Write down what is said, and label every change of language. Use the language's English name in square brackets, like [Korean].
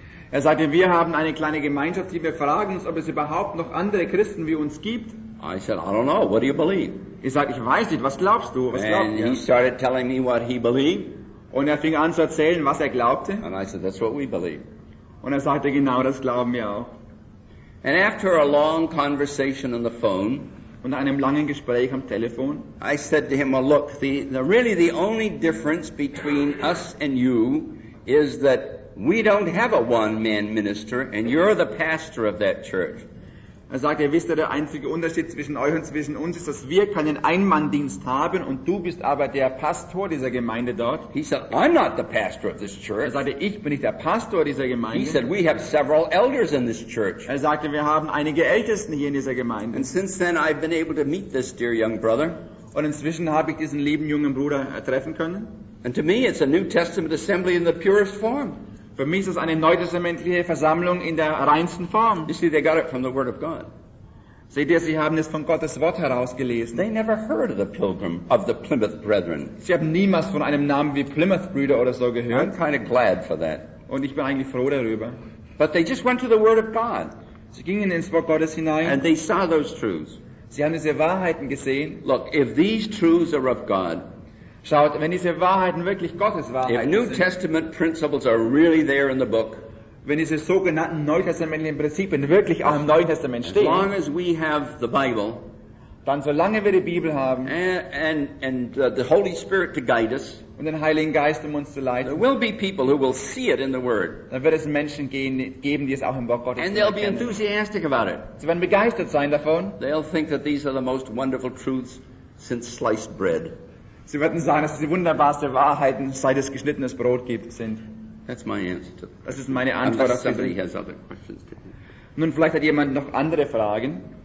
[German] Er sagte, wir haben eine kleine Gemeinschaft, die wir fragen uns, ob es überhaupt noch andere Christen wie uns gibt. [English] I said, I don't know, what do you believe? [German] Ich sagte, ich weiß nicht, was glaubst du? Was [English] And [German] glaubt [English] he [German] ihr? [English] Started telling me what he believed. [German] Und er fing an zu erzählen, was er glaubte. [English] And I said, that's what we believe. [German] Und er sagte, genau das glauben wir auch. [English] And after a long conversation on the phone, [German] und einem langen Gespräch am Telefon, [English] I said to him, well, look, the only difference between us and you is that we don't have a one-man minister, and you're the pastor of that church. [German] Er sagte, wisst ihr, der einzige Unterschied zwischen euch und zwischen uns ist, dass wir keinen Einmanndienst haben und du bist aber der Pastor dieser Gemeinde dort. [English] He said, I'm not the pastor of this church. [German] Er sagte, ich bin nicht der Pastor dieser Gemeinde. [English] He said, we have several elders in this church. [German] Er sagte, wir haben einige Ältesten hier in dieser Gemeinde. [English] And since then I've been able to meet this dear young brother. [German] Und inzwischen habe ich diesen lieben jungen Bruder treffen können. [English] And to me it's a New Testament assembly in the purest form. [German] Für mich ist es eine neutestamentliche Versammlung in der reinsten Form. [English] You see, they got it from the Word of God. [German] Seht ihr, sie haben es von Gottes Wort herausgelesen. [English] They never heard of the Pilgrim of the Plymouth Brethren. [German] Sie haben niemals von einem Namen wie Plymouth Brüder oder so gehört. [English] I'm kind of glad for that. [German] Und ich bin eigentlich froh darüber. [English] But they just went to the Word of God. [German] Sie gingen ins Wort Gottes hinein. [English] And they saw those truths. [German] Sie haben diese Wahrheiten gesehen. [English] Look, if these truths are of God. [German] Schaut, wenn diese Wahrheiten wirklich Gottes Wahrheiten sind. [English] If New Testament principles are really there in the book. [German] Wenn diese sogenannten neutestamentlichen Prinzipien wirklich auch im Neuen Testament stehen. [English] As long as we have the Bible. [German] Dann solange wir die Bibel haben. [English] And the Holy Spirit to guide us. [German] Und den Heiligen Geist, um uns zu leiten. [English] There will be people who will see it in the Word. [German] Dann wird es Menschen geben, die es auch im Wort Gottes [English] And they'll be enthusiastic about it. [German] Sie werden begeistert sein davon. [English] They'll think that these are the most wonderful truths since sliced bread. [German] Sie werden sagen, dass es die wunderbarste Wahrheiten, seit es geschnittenes Brot gibt, sind. [English] That's my answer to [German] das ist meine Antwort auf [English] somebody has other questions. [German] Nun, vielleicht hat jemand noch andere Fragen.